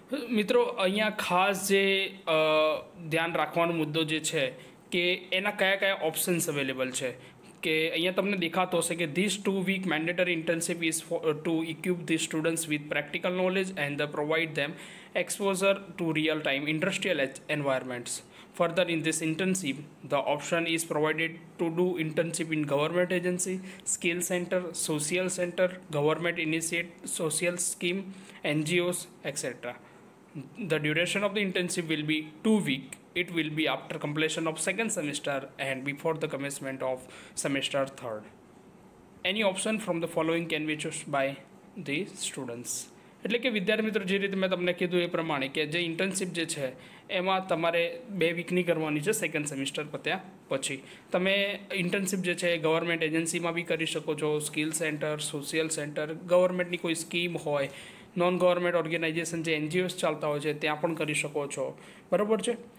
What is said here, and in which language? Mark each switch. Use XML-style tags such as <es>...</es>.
<gu>મિત્રો, અહીંયા ખાસ જે ધ્યાન રાખવાનો મુદ્દો જે છે કે એના કયા કયા ઓપ્શન્સ અવેલેબલ છે, કે અહીંયા તમને દેખાતો હશે કે</gu> <en>This 2 week mandatory internship is to equip the students with practical knowledge and provide them exposure to real time industrial environments. Further in this internship the option is provided to do internship in government agency, skill centre, social centre, government initiate social scheme, NGOs, etc. The duration of the internship will be 2 week. It will be after completion of second semester and before the commencement of semester 3rd. Any option from the following can be chosen by the students.</en> <gu>એટલે કે વિદ્યાર્થી મિત્રો, જે રીતે મેં તમને કીધું એ પ્રમાણે કે જે ઇન્ટર્નશીપ જે છે એમાં તમારે 2 વીકની કરવાની છે સેકન્ડ સેમિસ્ટર પત્યા પછી. તમે ઇન્ટર્નશીપ જે છે એ ગવર્મેન્ટ એજન્સીમાં બી કરી શકો છો, સ્કિલ સેન્ટર, સોશિયલ સેન્ટર, ગવર્મેન્ટની કોઈ સ્કીમ હોય, નોન ગવર્મેન્ટ ઓર્ગેનાઇઝેશન જે NGOs ચાલતા હોય છે ત્યાં પણ કરી શકો છો, બરાબર છે.</gu>